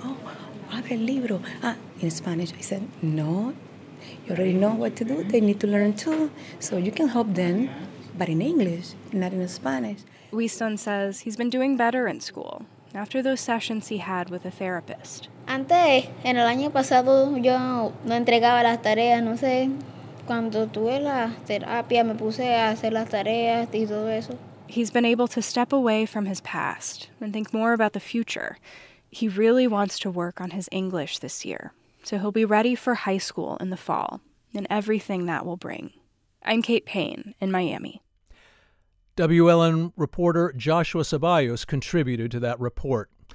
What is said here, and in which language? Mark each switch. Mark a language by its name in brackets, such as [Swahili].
[English] Oh, [Spanish] abre el libro. [English] Ah, in Spanish, I said, no, you already know what to do. They need to learn too. So you can help them, but in English, not in Spanish. Wiston says he's been doing better in school after those sessions he had with a therapist. [Spanish] Antes, en el año pasado, yo no entregaba las tareas, no sé. Cuando tuve la terapia, me puse a hacer las tareas y todo eso. [English] He's been able to step away from his past and think more about the future. He really wants to work on his English this year, so he'll be ready for high school in the fall and everything that will bring. I'm Kate Payne in Miami. WLN reporter Joshua Ceballos contributed to that report.